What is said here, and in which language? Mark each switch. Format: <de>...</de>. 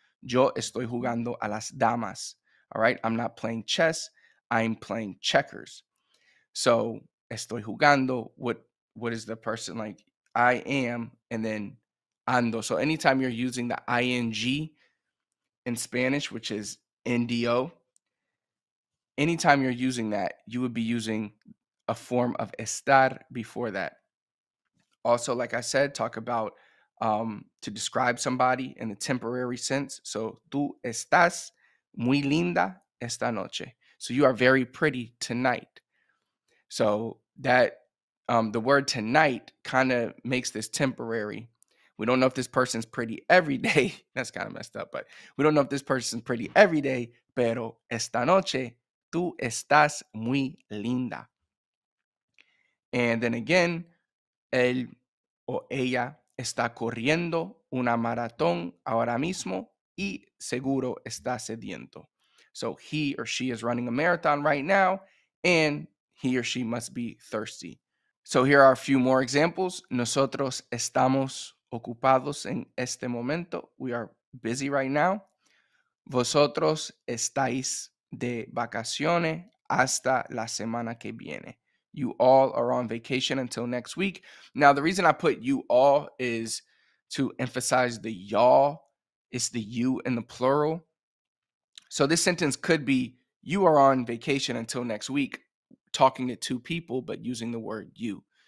<es>Yo estoy jugando a las damas,</es> <en>all right? I'm not playing chess, I'm playing checkers. So,</en> <es>estoy jugando,</es> <en>what is the person like? I am, and then ando. So anytime you're using the ing in Spanish, which is ndo, anytime you're using that, you would be using a form of estar before that. Also, like I said, talk about to describe somebody in the temporary sense.</en> <es>So, tú estás muy linda esta noche.</es> <en>So, you are very pretty tonight. So, that the word tonight kind of makes this temporary. We don't know if this person's pretty every day. That's kind of messed up, but we don't know if this person's pretty every day.</en> <es>Pero esta noche, tú estás muy linda.</es> <en>And then again,</en> <es>él o ella está corriendo una maratón ahora mismo y seguro está sediento.</es> <en>So he or she is running a marathon right now and he or she must be thirsty. So here are a few more examples.</en> <es>Nosotros estamos ocupados en este momento.</es> <en>We are busy right now.</en> <es>Vosotros estáis de vacaciones hasta la semana que viene.</es> <en>You all are on vacation until next week. Now, the reason I put you all is to emphasize the y'all. It's the you in the plural. So this sentence could be, you are on vacation until next week, talking to two people, but using the word you.</en>